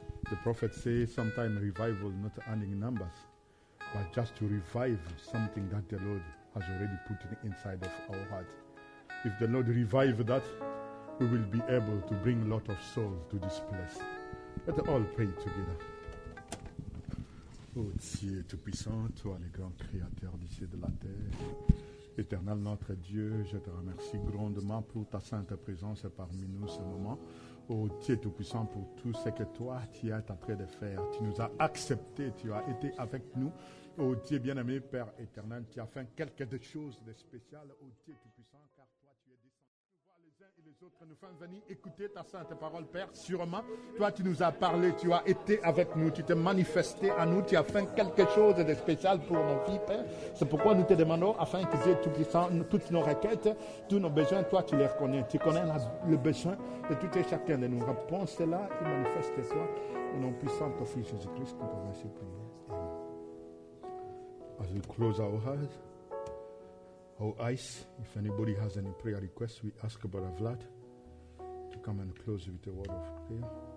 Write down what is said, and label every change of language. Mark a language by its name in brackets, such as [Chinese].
[English] The prophet says sometimes revival not adding numbers, but just to revive something that the Lord has already put inside of our heart. If the Lord revive that, we will be able to bring a lot of souls to this place. Let us all pray together. [French] Ô Dieu Tout-Puissant, toi le grand Créateur du ciel et de la terre, éternel notre Dieu, je te remercie grandement pour ta sainte présence parmi nous ce moment. Ô Dieu Tout-Puissant, pour tout ce que toi, tu es en train de faire, tu nous as accepté, tu as été avec nous. Ô Dieu bien-aimé, Père éternel, tu as fait quelque chose de spécial, ô Dieu Tout-Puissant, car toi tu es descendu. Tu vois les uns et les autres nous font venir écouter ta sainte parole, Père, sûrement. Toi, tu nous as parlé, tu as été avec nous, tu t'es manifesté à nous, tu as fait quelque chose de spécial pour nos vies, Père. C'est pourquoi nous te demandons, afin que Dieu Tout-Puissant, toutes nos requêtes, tous nos besoins, toi, tu les reconnais. Tu connais le besoin de tout et chacun de nous. Réponds cela et manifeste-toi au nom puissant de ton Fils Jésus-Christ, que tu as prié. [English] As we close our eyes, if anybody has any prayer requests, we ask Brother Vlad to come and close with a word of prayer.